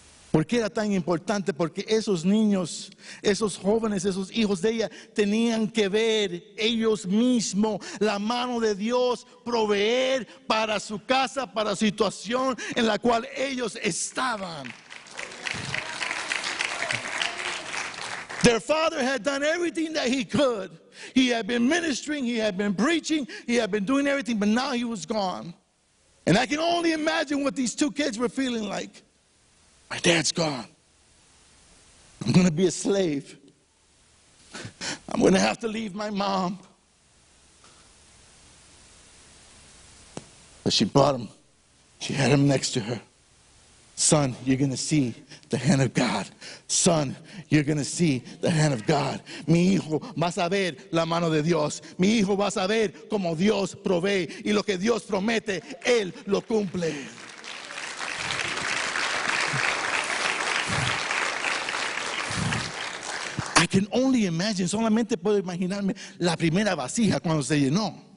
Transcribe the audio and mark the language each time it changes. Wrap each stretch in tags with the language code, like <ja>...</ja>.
<es>¿Por qué era tan importante? Porque esos niños, esos jóvenes, esos hijos de ella, tenían que ver ellos mismos la mano de Dios proveer para su casa, para la situación en la cual ellos estaban.</es> <en>Their father had done everything that he could. He had been ministering, he had been preaching, he had been doing everything, but now he was gone. And I can only imagine what these two kids were feeling like. My dad's gone. I'm going to be a slave. I'm going to have to leave my mom. But she brought him. She had him next to her. Son, you're going to see the hand of God. Son, you're going to see the hand of God.</en> <es>Mi hijo, vas a ver la mano de Dios. Mi hijo, vas a ver cómo Dios provee. Y lo que Dios promete, Él lo cumple.</es> <en>I can only imagine,</en> <es>solamente puedo imaginarme la primera vasija cuando se llenó.</es>